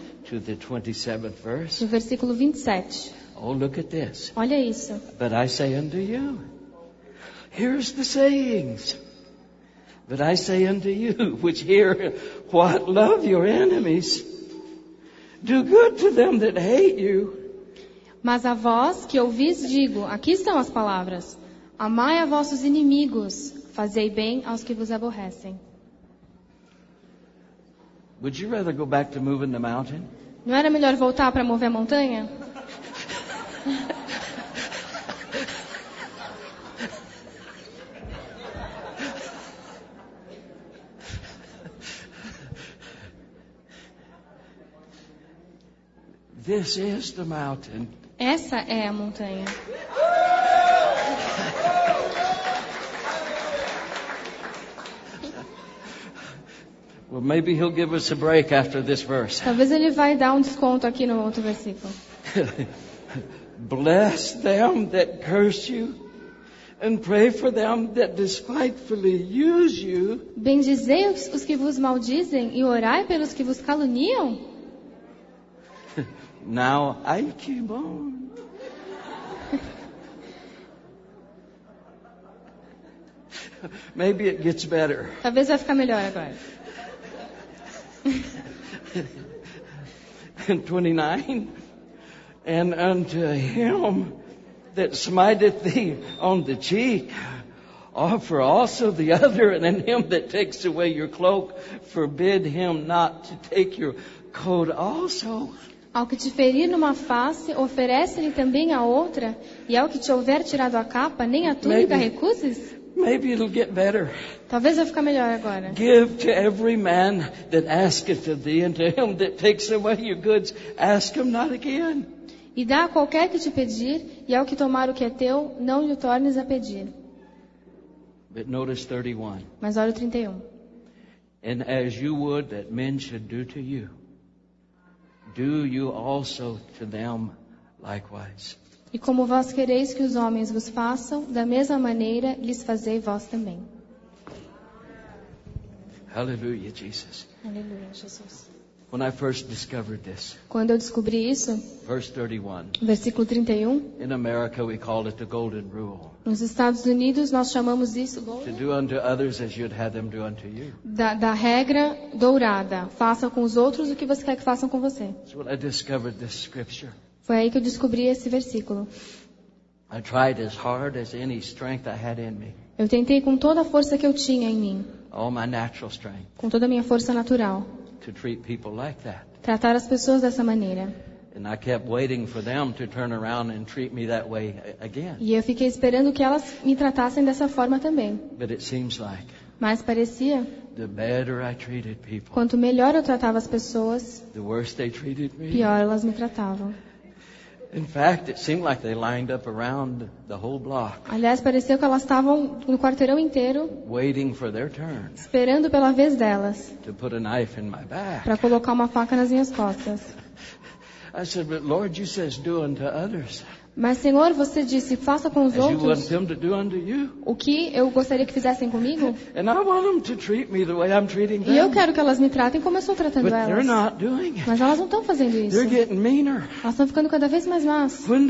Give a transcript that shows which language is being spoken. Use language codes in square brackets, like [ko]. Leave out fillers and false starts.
[en] To the 27th verse. [pt] No versículo 27. [en] Oh, look at this. [pt] Olha isso. [en] But I say unto you. Here's the sayings. But I say unto you, which hear what love your enemies. Do good to them that hate you. [pt] Mas a vós que ouvis digo, aqui estão as palavras. Amai a vossos inimigos. Fazei bem aos que vos aborrecem. [en] Would you rather go back to moving the mountain? [pt] Não era melhor voltar para mover a montanha? [en] This is the mountain. [pt] Essa é a montanha. [en] Well, maybe he'll give us a break after this verse. [pt] Talvez ele vai dar desconto aqui no outro versículo. [en] Bless them that curse you, and pray for them that despitefully use you. [pt] Bendizei os que vos maldizem e orai pelos que vos caluniam. [en] Now I keep on. Maybe it gets better. [pt] Talvez vai ficar melhor agora. [en] And 29, and unto him that smiteth thee on the cheek, offer also the other, and then him that takes away your cloak, forbid him not to take your coat also. [pt] Ao que te ferir numa face, oferece-lhe também a outra, e ao que te houver tirado a capa, nem a túnica recuses. [en] Maybe it'll get better. [pt] Talvez vai ficar melhor agora. [en] Give to every man that asketh of thee, and to him that takes away your goods, ask him not again. [pt] E dá a qualquer que te pedir, e ao que tomar o que é teu, não lhe tornes a pedir. [en] But notice 31. [pt] Mas olha o 31. [en] And as you would that men should do to you, do you also to them likewise. [pt] E como vós quereis que os homens vos façam, da mesma maneira lhes fazei vós também. Aleluia, Jesus. Aleluia, Jesus. [en] When I first discovered this, [pt] quando eu descobri isso, [en] verse 31, [pt] versículo 31, [en] in America we call it the golden rule. [pt] Nos Estados Unidos nós chamamos isso [en] to do unto others as you'd have them do unto you. [pt] Da regra dourada, faça com os outros o que você quer que façam com você. [en] So when I discovered this scripture, [pt] foi aí que eu descobri esse versículo. [en] I tried as hard as any strength I had in me. [pt] Eu tentei com toda a força que eu tinha em mim. [en] All my natural strength. [pt] Com toda a minha força natural. [en] To treat people like that. [pt] Tratar as pessoas dessa maneira. [en] And I kept waiting for them to turn around and treat me that way again. [pt] E eu fiquei esperando que elas me tratassem dessa forma também. [en] But it seems like, [pt] mas parecia, [en] the better I treated people, [pt] quanto melhor eu tratava as pessoas, [en] the worse they treated me, [pt] pior elas me tratavam. [en] In fact, it seemed like they lined up around the whole block. [pt] Aliás, pareceu que elas estavam no quarteirão inteiro. [en] Waiting for their turn. [pt] Esperando pela vez delas. [en] To put a knife in my back. [pt] Para colocar uma faca nas minhas costas. [en] I said, "But Lord, you says do unto others." [pt] Mas, Senhor, você disse, faça com os outros o que eu gostaria que fizessem comigo. E eu quero que elas me tratem como eu estou tratando elas. Mas elas não estão fazendo isso. Elas estão ficando cada vez mais más.